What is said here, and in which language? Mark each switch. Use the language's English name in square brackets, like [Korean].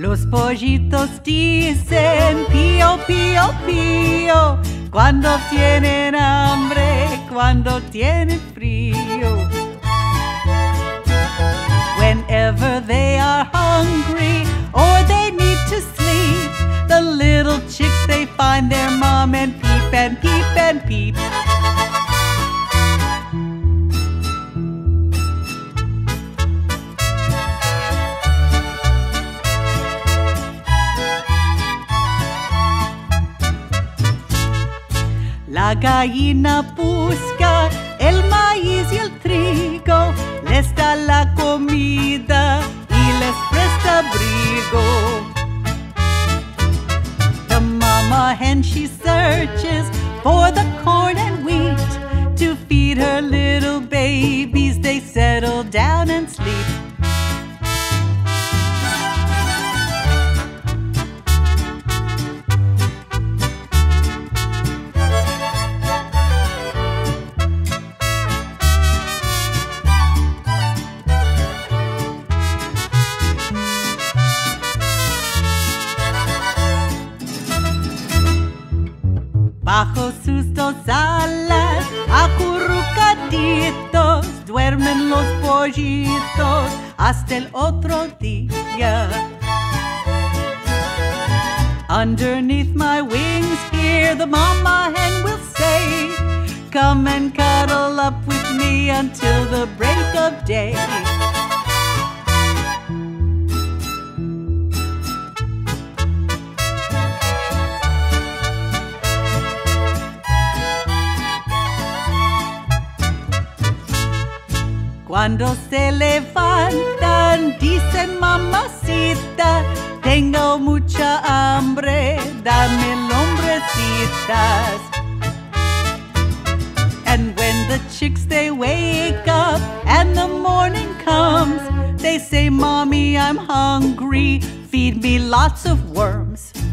[Spanish] Pollitos dicen pío, pío, pío cuando tienen hambre, cuando tienen frío. [English] Whenever they are hungry or they need to sleep, the little chicks they find their mom and peep and peep and peep. [Spanish] La gallina busca el maíz y el trigo, les da la comida y les presta abrigo. [English] The mama hen, she searches for the corn and wheat to feed her little babies. They settle down and sleep. [Spanish] Bajo sus dos alas, acurrucaditos, duermen los pollitos hasta el otro día. [English] Underneath my wings here, the mama hen will say, come and cuddle up with me until the break of day. [Spanish] Cuando se levantan, dicen mamacita, tengo mucha hambre, dame lombrecitas. [English] And when the chicks they wake up and the morning comes, they say, mommy, I'm hungry, feed me lots of worms.